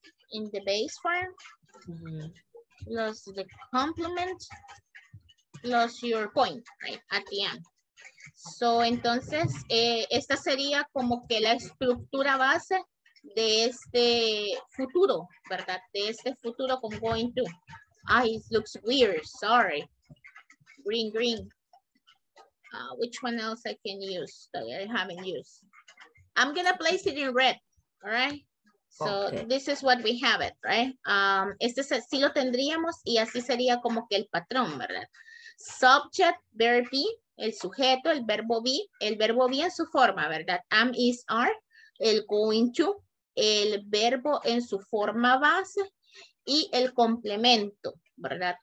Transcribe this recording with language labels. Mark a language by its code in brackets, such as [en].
[en] In the base form, plus the complement, plus your point, right, at the end. [es] So, entonces, esta sería como que la estructura base de este futuro, ¿verdad? De este futuro con going to. [en] Ah, it looks weird, sorry. Green, green. Which one else I can use that I haven't used? I'm gonna place it in red, all right? So okay. This is what we have it, right? [es] Este es, sí lo tendríamos y así sería como que el patrón, ¿verdad? [en] Subject, verb be, [es] el sujeto, el verbo be en su forma, ¿verdad? Am, is, are, el going to, el verbo en su forma base y el complemento, ¿verdad?